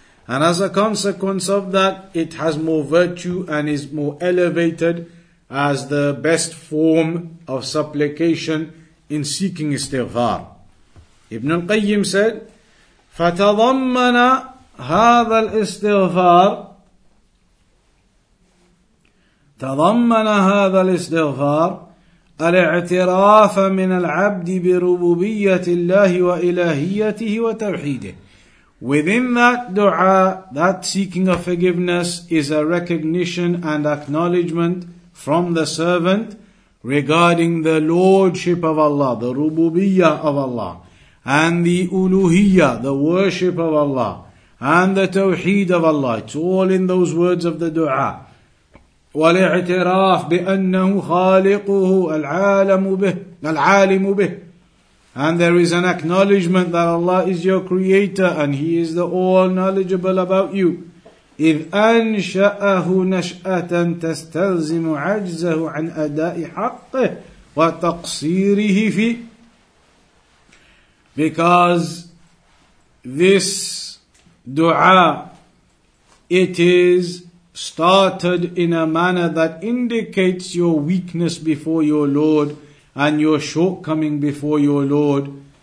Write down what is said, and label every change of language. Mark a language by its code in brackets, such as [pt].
[en] And as a consequence of that, it has more virtue and is more elevated as the best form of supplication in seeking istighfar. Ibn al-Qayyim said, [ar] فَتَضَمَّنَ هَذَا الْإِسْتِغْفَارِ تضمن هذا الاستغفار الاعتراف من العبد بربوبية الله وإلهيته وتوحيده. [en] Within that dua, that seeking of forgiveness is a recognition and acknowledgement from the servant regarding the lordship of Allah, the rububiyyah of Allah, and the uluhiyyah, the worship of Allah, and the tawheed of Allah. It's all in those words of the dua. [ar] والاعتراف بأنه خالقه العالم به العالم به. [en] And there is an acknowledgement that Allah is your creator and He is the all knowledgeable about you. [ar] إذ أنشأه نشأة تستلزم عجزه عن أداء حقه وتقصيره فيه. [en] Because this dua, it is started in a manner that indicates your weakness before your Lord and your shortcoming before your Lord.